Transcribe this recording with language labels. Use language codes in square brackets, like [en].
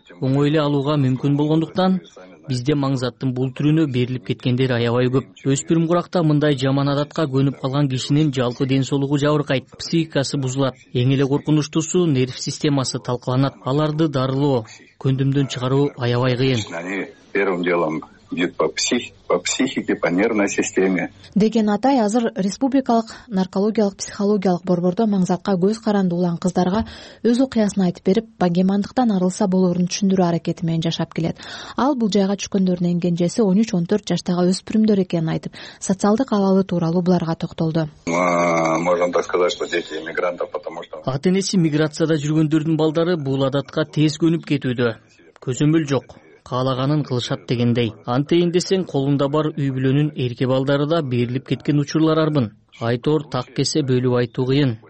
[ky] Оңой эле алууга мүмкүн болгондуктан бизде маңзаттын бул түрүнө берилип кеткендер аябай көп. Өспүрүм куракта мындай жаман адатка көнүп калган кишинин жалпы ден соолугу жабыркайт, психикасы бузулат, эң эле коркунучтуусу нерв системасы талкаланат. Аларды дарылоо, көндүмдөн чыгаруу аябай кыйын. [ru] Первым делом идет по психике, по нервной системе. [ky] Деген Атай азыр республикалык наркологиялык психологиялык борбордо маңзатка көз каранды улан кыздарга өз окуясын айтып берип, бангемандыктан арылса болорун түшүндүрүү аракети менен жашап келет. Ал бул жайга түшкөндөрүнүн кенжеси 13-14 жаштагы өспүрүмдөр экенин айтып, социалдык абалы тууралуу буларга токтолду. [ru] Можно так сказать, что дети иммигрантов, потому что [ky] ата-энеси миграцияда жүргөндөрдүн балдары бул адатка тез көнүп кетүүдө. Көзөмөл жок. Каалаганын кылышат дегендей. Антейин десең, колунда бар үй бүлөнүн эрке балдары да берилип кеткен учурлар арбын. Айтор так кесе бөлүп айтуу кыйын.